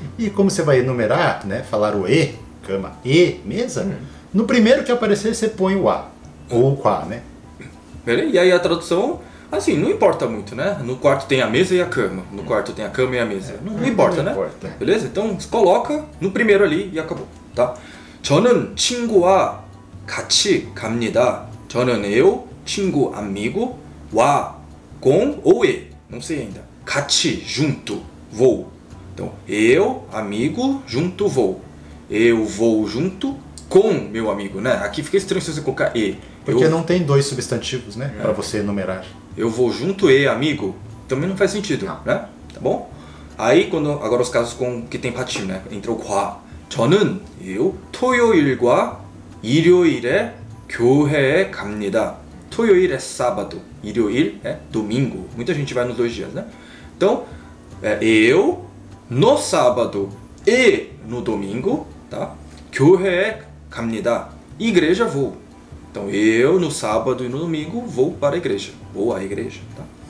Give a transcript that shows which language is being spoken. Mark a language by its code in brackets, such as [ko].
[pt] E como você vai enumerar, né? Falar o E, cama e mesa. No primeiro que aparecer, você põe o A. Ou o Qua, né? Beleza? E aí a tradução, assim, não importa muito, né? No quarto tem a mesa e a cama. No quarto tem a cama e a mesa. É, não importa, né? Beleza? Então, você coloca no primeiro ali e acabou, tá? [ko] 저는 친구와 같이 갑니다. [pt] 저는 eu, 친구, amigo, 와, com ou e, não sei ainda. 같이, junto, vou. Então, eu, amigo, junto, vou. Eu vou junto com meu amigo, né? Aqui fica estranho se você colocar e. Porque eu... não tem dois substantivos, né? É. Pra você enumerar. Eu vou junto e amigo, também não faz sentido, não. Né? Tá bom? Aí, quando agora os casos com que tem patinho, né? Entrou com a. [ko] 저는 eu, 토요일과 일요일에 교회에 갑니다. [pt] 토요일 é sábado, 일요일 é domingo. Muita gente vai nos dois dias, né? Então, é eu no sábado e no domingo, tá? [ko] 교회에 갑니다. [pt] Igreja vou. Então, eu no sábado e no domingo vou para a igreja. Vou à igreja, tá?